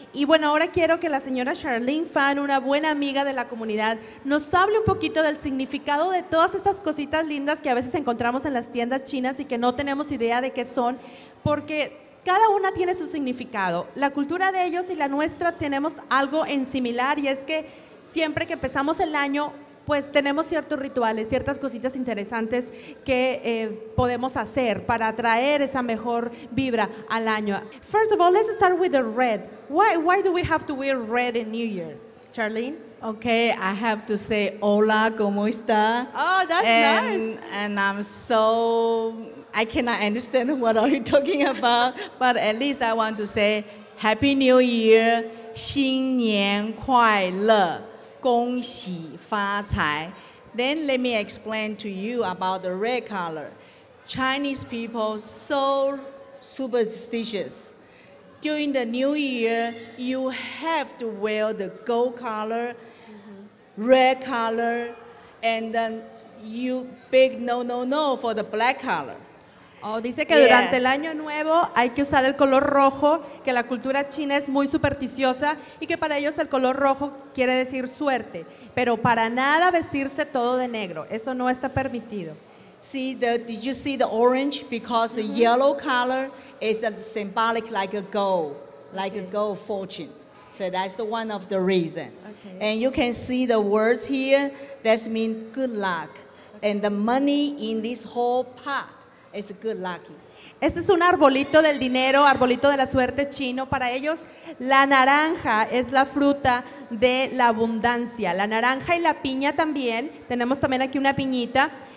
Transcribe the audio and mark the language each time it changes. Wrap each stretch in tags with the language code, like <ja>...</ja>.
<es>Y bueno, ahora quiero que la señora Charlene Fan, una buena amiga de la comunidad, nos hable un poquito del significado de todas estas cositas lindas que a veces encontramos en las tiendas chinas y que no tenemos idea de qué son, porque cada una tiene su significado. La cultura de ellos y la nuestra tenemos algo en similar, y es que siempre que empezamos el año pues tenemos ciertos rituales, ciertas cositas interesantes que podemos hacer para atraer esa mejor vibra al año.</es> <en>First of all, let's start with the red. Why do we have to wear red in New Year, Charlene? Okay, I have to say</en> <es>hola, ¿cómo está?</es> <en>Oh, that's nice. And I'm so, I cannot understand what are you talking about, but at least I want to say Happy New Year,</en> <zh>新年快乐，恭喜发财。</zh> <en>Then let me explain to you about the red color. Chinese people so superstitious. During the New Year, you have to wear the gold color, red color, and then you big no for the black color.</en> <es>Oh, dice que durante el año nuevo hay que usar el color rojo, que la cultura china es muy supersticiosa y que para ellos el color rojo quiere decir suerte, pero para nada vestirse todo de negro, eso no está permitido.</es> <en>See the, did you see the orange? Because the yellow color is a symbolic like a gold, like a gold fortune. So that's the one of the reason. And you can see the words here, that means good luck. And the money in this whole pot is good luck.</en> <es>Este es un arbolito del dinero, arbolito de la suerte chino. Para ellos, la naranja es la fruta de la abundancia. La naranja y la piña también. Tenemos también aquí una piñita.</es>